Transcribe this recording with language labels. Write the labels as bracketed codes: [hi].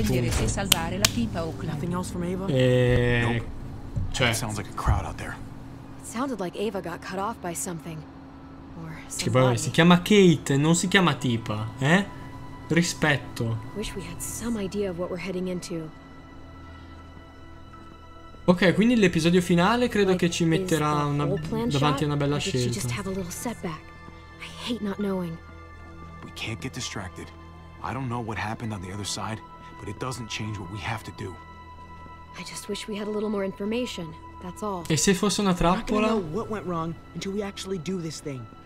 [it] Che poi si chiama Kate, non si chiama tipa, eh? Rispetto. [en] Wish we had some idea of what we're heading into. [it] Ok, quindi l'episodio finale credo che ci metterà una davanti a una bella scelta. [en] Just have a little setback. I hate not knowing. We can't get distracted. I don't know what happened on the other side, but it doesn't change what we have to do. I just wish we had a little more information. That's all. [it] E se fosse una trappola? [en] What went wrong until we actually do this thing?